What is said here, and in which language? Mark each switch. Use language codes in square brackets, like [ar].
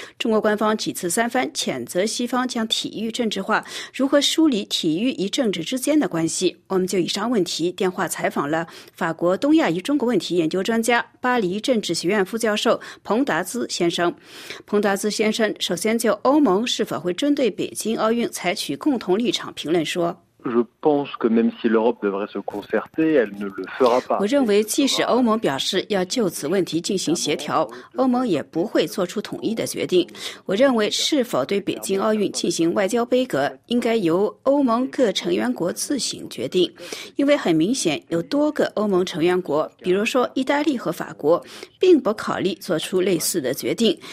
[zh] 中国官方几次三番谴责西方将体育政治化，如何梳理体育与政治之间的关系？我们就以上问题电话采访了法国东亚与中国问题研究专家、巴黎政治学院副教授彭达兹先生。彭达兹先生首先就欧盟是否会针对北京奥运采取共同立场评论说： [fr] Je pense que même si l'Europe devrait se concerter, elle ne le fera pas. [zh] 我认为，即使欧盟表示要就此问题进行协调，欧盟也不会做出统一的决定。我认为，是否对北京奥运进行外交杯葛，应该由欧盟各成员国自行决定，因为很明显，有多个欧盟成员国，比如说意大利和法国，并不考虑做出类似的决定。